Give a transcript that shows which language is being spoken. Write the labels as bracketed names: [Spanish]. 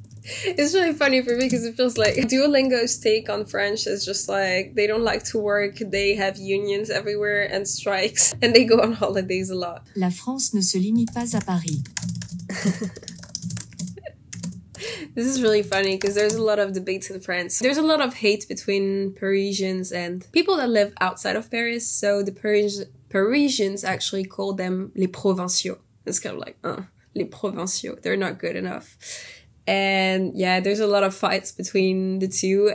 [English] It's really funny for me because it feels like Duolingo's take on French is just like, they don't like to work, they have unions everywhere and strikes, and they go on holidays a lot. [French] La France ne se limite pas à Paris. [English] This is really funny because there's a lot of debates in France. There's a lot of hate between Parisians and people that live outside of Paris, so the Parisians actually call them les provinciaux. It's kind of like, les provinciaux, they're not good enough. And yeah, there's a lot of fights between the two.